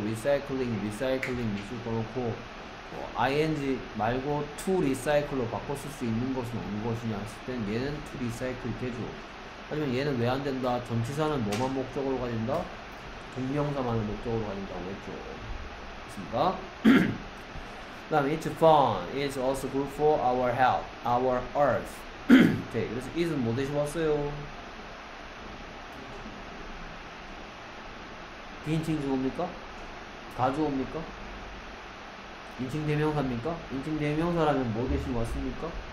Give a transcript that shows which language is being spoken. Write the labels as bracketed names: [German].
[Korean] recycling 미술 거놓고 뭐 ing 말고 [English] to recycle [Korean] 로 바꿔 쓸수 있는 것은 어느 것이냐 했을 땐 얘는 to recycle 되죠. 하지만 얘는 왜안 된다? 전치사는 뭐만 목적으로 가진다? 동명사만을 목적으로 가진다고 했죠. 맞습니까? 그다음 [English] it's fun. it's also good for our health, our earth. [Korean] 오케이. 그래서 is 뭐 대신 왔어요? 인칭 주어입니까? 가주어입니까? 인칭 대명사입니까? 인칭 대명사라면 뭐 대신 왔습니까?